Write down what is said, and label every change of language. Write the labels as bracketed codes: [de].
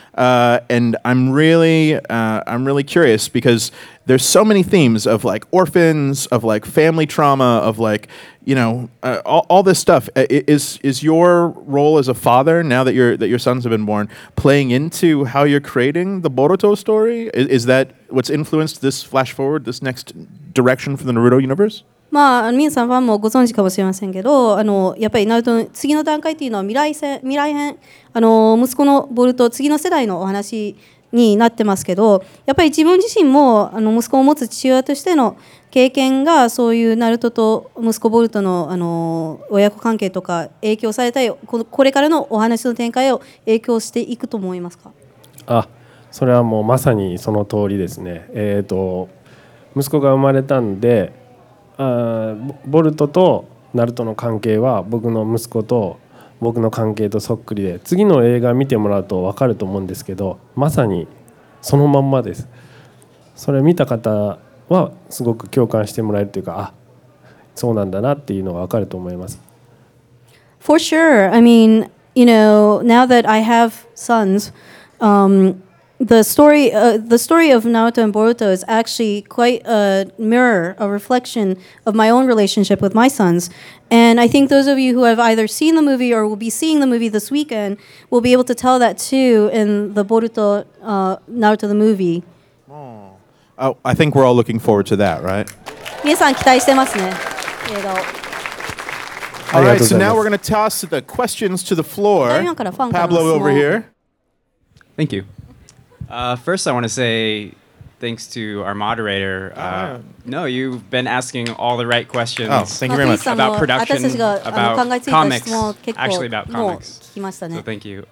[en] And I'm really curious because there's so many themes of like orphans, of like family trauma, of like, you know, all this stuff. Is your role as a father now that your sons have been born playing into how you're creating the Boruto story? Is that what's influenced this flash forward, this next direction for the Naruto universe? [ja] まあ、皆さんファンもご存知かもしれませんけど、やっぱりナルトの次の段階というのは未来編、息子のボルト、次の世代のお話になってますけど、やっぱり自分自身も息子を持つ父親としての経験が、そういうナルトと息子ボルト の親子関係とか影響されたり、これからのお話の展開を影響していくと思いますか？あ、それはもうまさにその通りですね。息子が生まれたんで、ボルトとナルトの関係は僕の息子と僕の関係とそっくりで、次の映画見てもらうと分かると思うんですけど、まさにそのまんまです。それ見た方はすごく共感してもらえるというか、あ、そうなんだなっていうのが分かると思います。 [en] For sure. I mean, you know, now that I have sons, The story of Naruto and Boruto is actually quite a mirror, a reflection of my own relationship with my sons. And I think those of you who have either seen the movie or will be seeing the movie this weekend will be able to tell that too in the Boruto, Naruto the movie. Oh, I think we're all looking forward to that, right? [ja] 皆さん期待してますね。 [en] All right, so now we're going to toss the questions to the floor. Pablo over here. Thank you. First, I want to say thanks to our moderator. No, you've been asking all the right questions. Oh, thank you very much. About production, about comics, actually about comics. So thank you.